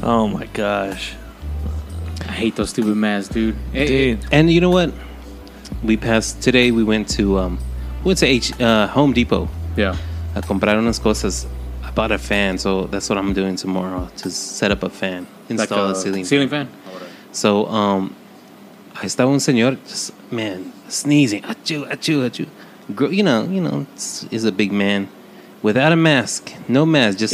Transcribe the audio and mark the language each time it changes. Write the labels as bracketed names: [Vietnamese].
[English] Oh, my gosh. I hate those stupid masks, dude. Dude. And you know what? Today we went to Home Depot. Yeah. I [Spanish] compraron unas cosas. [English] I bought a fan, so that's what I'm doing tomorrow, to set up a fan. Install like a ceiling fan. So, [Spanish] ahí estaba un señor, [English] just, man, sneezing. Achoo, achoo, achoo. You know, is a big man without a mask, no mask, just